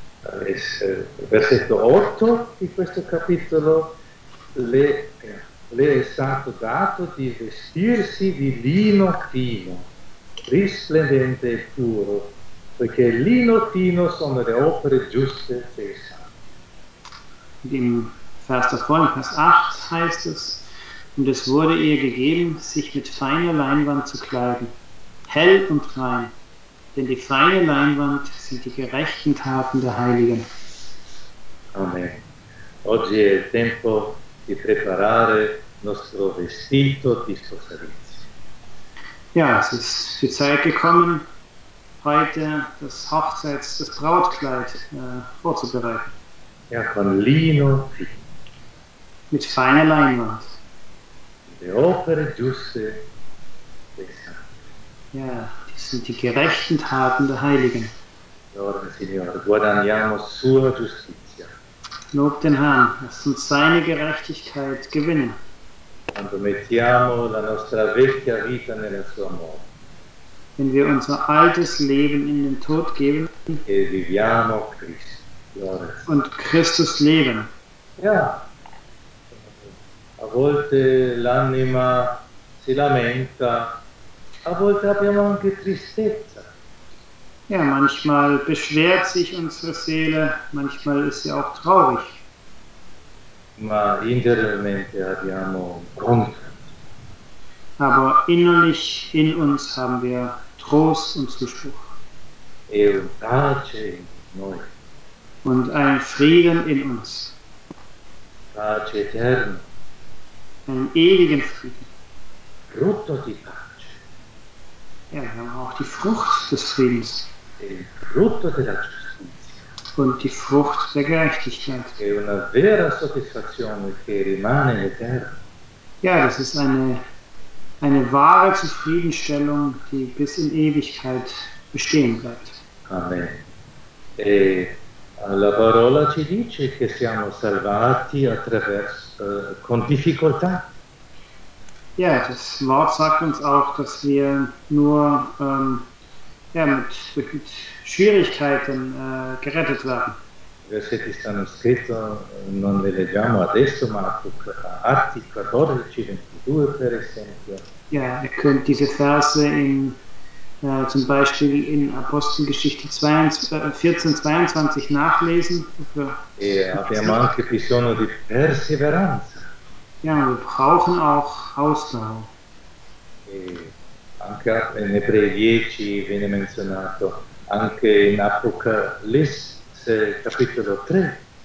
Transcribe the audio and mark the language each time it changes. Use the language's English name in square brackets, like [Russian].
[Italian] Versetto 8 di questo capitolo, le è stato dato di vestirsi di lino fino, risplendente e puro, perché lino fino sono le opere giuste dei santi. [German] Im Vers davor, Vers 8, heißt es: und es wurde ihr gegeben, sich mit feiner Leinwand zu kleiden, hell und rein, denn die feine Leinwand sind die gerechten Taten der Heiligen. Amen. [Italian] Oggi è il tempo di preparare nostro vestito di sposalizio. [German] Ja, es ist die Zeit gekommen, heute das Hochzeits-, das Brautkleid vorzubereiten. [Italian] Ja, con lino. [German] Mit feiner Leinwand. [Italian] Le opere giuste dei santi. [German] Ja, das sind die gerechten Taten der Heiligen. [Italian] Lord, Signore, guadagniamo sua giustizia. [German] Lob den Herrn, lass uns seine Gerechtigkeit gewinnen. [Italian] Quando mettiamo la nostra vecchia vita nella sua morte. [German] Wenn wir unser altes Leben in den Tod geben. [Italian] E viviamo Cristo. [German] Und Christus leben. Ja. [Italian] A volte l'anima si lamenta, a volte abbiamo anche tristezza. [German] Ja, manchmal beschwert sich unsere Seele, manchmal ist sie auch traurig. [Italian] Ma interiormente abbiamo conto. [German] Aber innerlich in uns haben wir Trost und Zuspruch. [Italian] E pace in noi. [German] Und ein Frieden in uns. [Italian] Pace eterna. [German] Einen ewigen Frieden. [Italian] Frutto di pace. [German] Ja, wir haben auch die Frucht des Friedens. [Italian] E frutto della giustizia. [German] Und die Frucht der Gerechtigkeit. [Italian] E una vera soddisfazione che rimane eterna. [German] Ja, das ist eine wahre Zufriedenstellung, die bis in Ewigkeit bestehen bleibt. Amen. [Italian] E la parola ci dice che siamo salvati attraverso con difficoltà. [German] Ja, das Wort sagt uns auch, dass wir nur mit Schwierigkeiten gerettet werden. [Italian] Versetti stanno scritto, non le leggiamo adesso, ma Atti 14, 22 per esempio. [German] Ja, ihr könnt diese Verse in zum Beispiel in Apostelgeschichte 14:22 nachlesen. [Italian] Abbiamo anche bisogno di perseveranza. [German] Ja, wir brauchen auch Ausdauer. [Italian] E anche in Ebrei 10 viene menzionato, anche in Apocalisse capitolo 3.